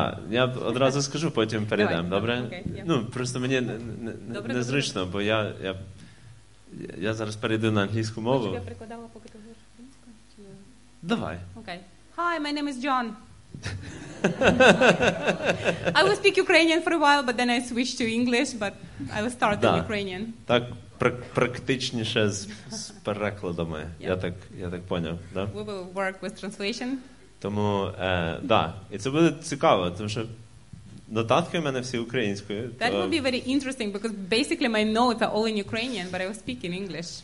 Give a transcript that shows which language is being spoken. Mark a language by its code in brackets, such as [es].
[uk] Я одразу скажу, потім перейдемо, давай, добре? Окей, ну, просто мені незручно, добре. Бо я зараз перейду на англійську мову. Хочеш, я прикладала, поки ти говориш українською? Давай. [en] Окей. Hi, my name is John. I will speak Ukrainian for a while, but then I switch to English, but I will start in Ukrainian. [uk] Так. Практичніше з перекладами. Yeah. Я так поняв, да? [en] We will work with translation. [uk] Тому, і це буде цікаво, тому що нотатки в мене всі українською. [en] That will be very interesting because basically my notes are all in Ukrainian, but I will speak in English.